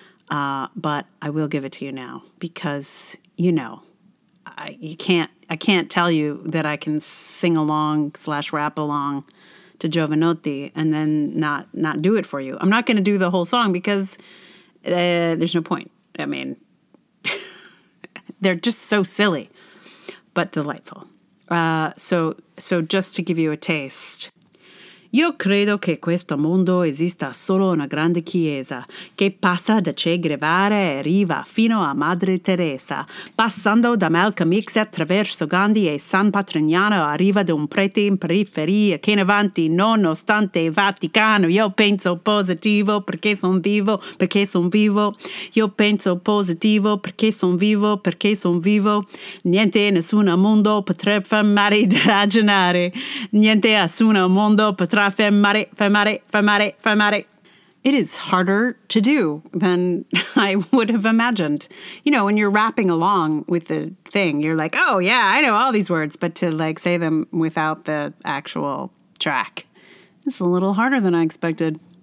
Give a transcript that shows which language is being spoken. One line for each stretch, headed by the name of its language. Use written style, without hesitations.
English: But I will give it to you now because, you know, I can't tell you that I can sing along / rap along to Jovanotti and then not do it for you. I'm not going to do the whole song because there's no point. I mean, they're just so silly, but delightful. So just to give you a taste.
Italian: Io credo che questo mondo esista solo una grande chiesa che passa da Che Guevara e arriva fino a Madre Teresa, passando da Malcolm X attraverso Gandhi e San Patrignano arriva da un prete in periferia che in avanti, nonostante il Vaticano, io penso positivo perché son vivo, perché son vivo. Io penso positivo perché son vivo, perché son vivo. Niente e nessun mondo potrà fermare di ragionare. Niente e nessun mondo potrà fermare.
English: It is harder to do than I would have imagined. You know, when you're rapping along with the thing, you're like, oh yeah, I know all these words, but to like say them without the actual track, it's a little harder than I expected.